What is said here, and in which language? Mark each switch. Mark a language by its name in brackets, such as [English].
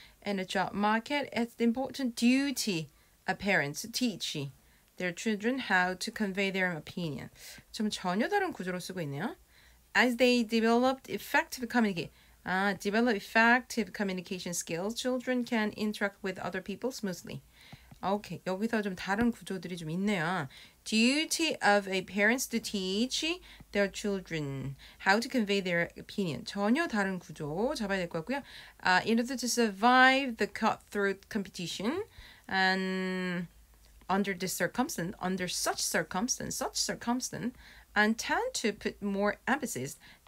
[English] And a job market is the important duty of parents to teach their children how to convey their opinion. [Korean] 좀 전혀 다른 구조로 쓰고 있네요. [English] As they developed effective communication skills, children can interact with other people smoothly. [Korean] Okay, 여기서 좀 다른 구조들이 좀 있네요. [English] Duty of a parents to teach their children how to convey their opinion. [Korean] 전혀 다른 구조 잡아야 될 것 같고요. [English] In order to survive the cutthroat competition and under this circumstance, under such circumstance, and tend to put more emphasis.